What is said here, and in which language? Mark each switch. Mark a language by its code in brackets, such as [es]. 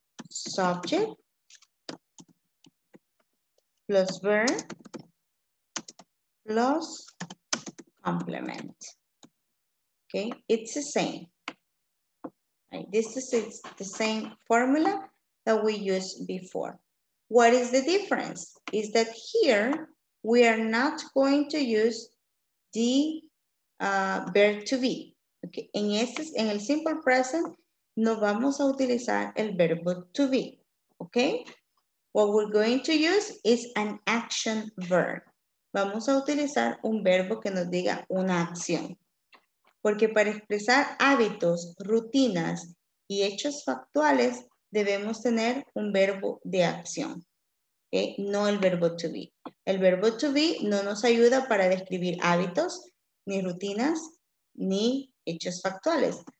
[en] Subject plus verb plus complement, okay? It's the same. This is the same formula that we used before. What is the difference? Is that here we are not going to use the verb to be. Okay. [es] En este, en el simple present, no vamos a utilizar el verbo to be. [en] Okay? What we're going to use is an action verb. [es] Vamos a utilizar un verbo que nos diga una acción. Porque para expresar hábitos, rutinas, y hechos factuales, debemos tener un verbo de acción, ¿okay? No el verbo to be. El verbo to be no nos ayuda para describir hábitos, ni rutinas, ni hechos factuales.